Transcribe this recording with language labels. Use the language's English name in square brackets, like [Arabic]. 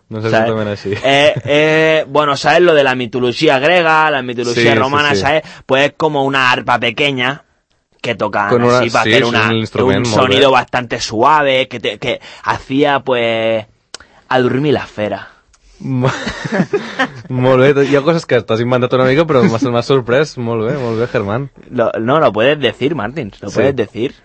[Spanish] No sé, ¿sabes? Si así. Bueno, ¿sabes? Lo de la mitología griega, la mitología romana, sí. ¿Sabes? Pues es como una arpa pequeña que tocaban así para hacer un sonido bastante suave que hacía, pues, [Catalan] adormir la fera. Molt bé, hi ha coses que t'has inventat una mica, però m'has sorprès. Molt bé, Germán. [Spanish] Lo puedes decir, Martins, lo puedes decir.